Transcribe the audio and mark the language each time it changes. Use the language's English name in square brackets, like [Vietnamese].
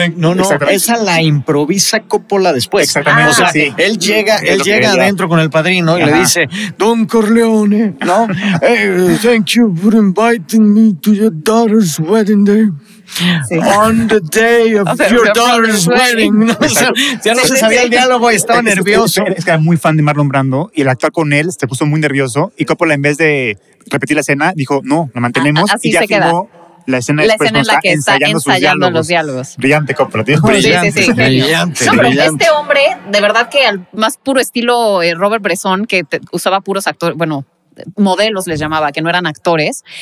[Spanish] No, esa la improvisa Coppola después. Exactamente. O sea, sí. Él llega adentro con El Padrino y le dice, Don Corleone, ¿no? [English] Thank you for inviting me to your daughter's wedding day. [Spanish] Sí. [English] On the day of your daughter's wedding. [Spanish] No, ya no se sabía el diálogo y estaba nervioso. Es que era muy fan de Marlon Brando y el actuar con él se puso muy nervioso y Coppola, en vez de repetir la escena, dijo, no, la mantenemos. Así y ya se queda. La escena, la escena en la que está ensayando los diálogos. Brillante, Coppola. Brillante. Este hombre, de verdad que al más puro estilo Robert Bresson, que usaba puros actores, bueno, modelos les llamaba, que no eran actores.